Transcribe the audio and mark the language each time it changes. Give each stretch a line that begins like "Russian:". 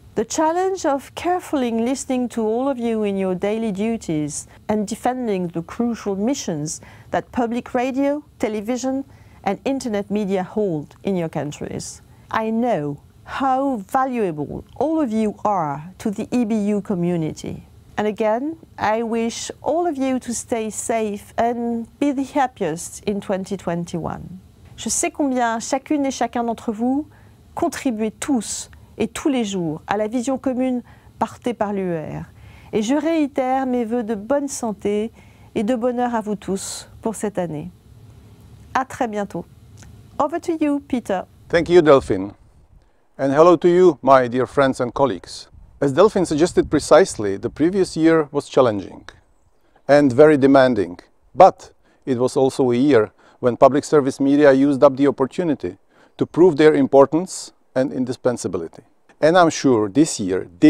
English: The challenge of carefully listening to all of you in your daily duties and defending the crucial missions that public radio, television, and internet media hold in your countries. I know how valuable all of you are to the EBU community. And again, I wish all of you to stay safe and be the happiest in 2021.
French: Je sais combien chacune et chacun d'entre vous contribuez tous et tous les jours à la vision commune portée par l'UER. Et je réitère mes vœux de bonne santé et de bonheur à vous tous pour cette année. À très bientôt.
English: Over to you, Peter. Thank you, Delphine. And hello to you, my dear friends and colleagues. As Delphine suggested precisely, the previous year was challenging and very demanding. But it was also a year when public service media used up the opportunity to prove their importance and indispensability. And I'm sure this year